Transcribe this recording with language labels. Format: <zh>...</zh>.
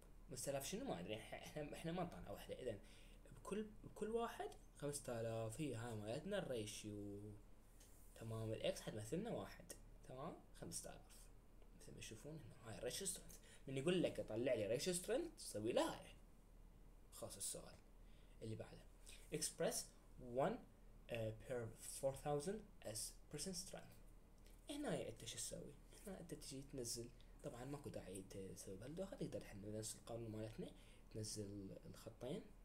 <ar>5000 شنو؟ ما ادري، احنا ما نطلع واحدة. اذا بكل واحد 5000 هي هاي مالتنا الريشيو. تمام، الاكس حتمثلنا واحد. تمام، 5000 مثل ما تشوفون هنا هاي الريشيو سترينث. من يقول لك طلع لي ratio strength سوي لها هاي. خاص السؤال اللي بعده،</ar> <en>express 1 per 4000 as percent strength.</en> <ar>هنا انت شو تسوي؟ هنا انت تجي تنزل، طبعا ماكو داعي تسوي بهالدوحة، تقدر احنا ننسى القانون مالتنا، تنزل الخطين.</ar>